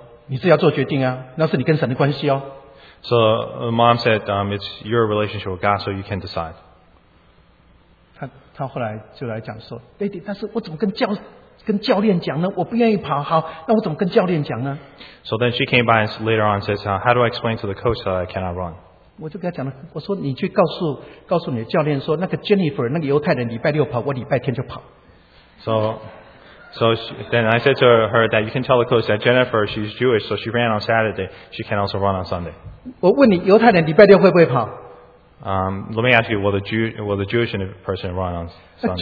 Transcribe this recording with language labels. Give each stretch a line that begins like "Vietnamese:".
Chinese: 说爸爸不要我跑。妈妈给他说，你是要做决定啊，那是你跟神的关系哦。
English: So mom said, it's your relationship with God, so you can decide.
Chinese: 他后来就来讲说, Daddy, 但是我怎么跟教练讲呢? 我不愿意跑, 好, 那我怎么跟教练讲呢?
English: So then she came by and later on says, how do I explain to the coach that I cannot run?
Chinese: 我就跟他讲了, 我说, 你去告诉你的教练说, 那个Jennifer, 那个犹太人礼拜六跑, 我礼拜天就跑。
English: So she, then I said to her that you can tell the coach that Jennifer, she's Jewish, so she ran on Saturday. She can also run on Sunday.
Chinese: 我问你，犹太人礼拜六会不会跑？
English: Let me ask you, will the Jewish person run on Sunday?